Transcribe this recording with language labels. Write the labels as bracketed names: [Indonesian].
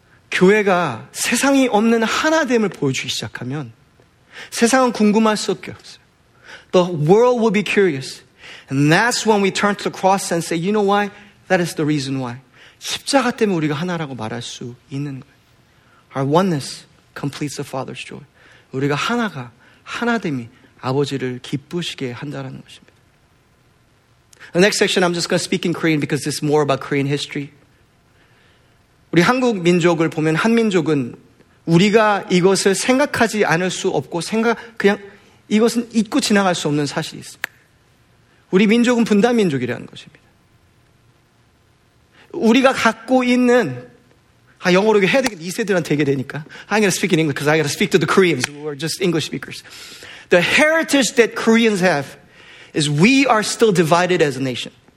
[Korean] 교회가 세상이 없는 하나됨을 보여주기 시작하면 세상은 궁금할 수 밖에 없어요. [English] The world will be curious. And that's when we turn to the cross and say, you know why? That is the reason why. [Korean] 십자가 때문에 우리가 하나라고 말할 수 있는 거예요. [English] Our oneness completes the Father's joy. [Korean] 우리가 하나가 하나됨이 아버지를 기쁘시게 한다는 것입니다. [English] The next section, I'm just going to speak in Korean because it's more about Korean history. [Korean] 우리 한국 민족을 보면 한민족은 우리가 이것을 생각하지 않을 수 없고 생각 그냥 이것은 잊고 지나갈 수 없는 사실이 있습니다. 우리 민족은 분단 민족이라는 것입니다. 우리가 갖고 있는 아 영어로 해야 되겠다. 이 세대한테 얘기 되니까. [English] I'm going to speak in English because I got to speak to the Koreans who are just English speakers. The heritage that Koreans have is we are still divided as a nation.